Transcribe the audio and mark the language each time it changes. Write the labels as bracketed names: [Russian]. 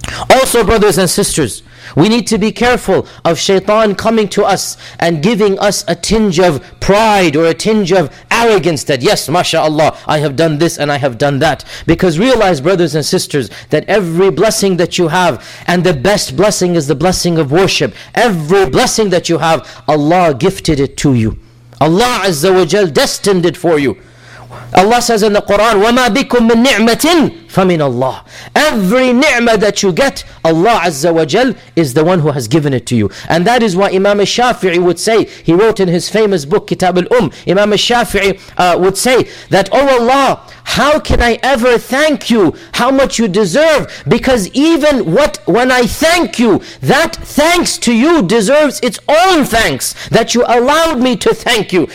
[English] Also, brothers and sisters, we need to be careful of shaitan coming to us and giving us a tinge of pride or a tinge of arrogance that, yes, mashallah, I have done this and I have done that. Because realize, brothers and sisters, that every blessing that you have, and the best blessing is the blessing of worship. Every blessing that you have, Allah gifted it to you. Allah Azza wa Jal destined it for you. Allah says in the Quran, [Arabic] وَمَا بِكُم مِّن نِعْمَةٍ فَمِنَ اللَّهِ. [English] Every ni'mah that you get, Allah Azza wa Jal is the one who has given it to you. And that is why Imam al-Shafi'i would say, he wrote in his famous book, Kitab al-Umm, Imam al-Shafi'i would say that, oh Allah, how can I ever thank you? How much you deserve? Because even what when I thank you, that thanks to you deserves its own thanks, that you allowed me to thank you.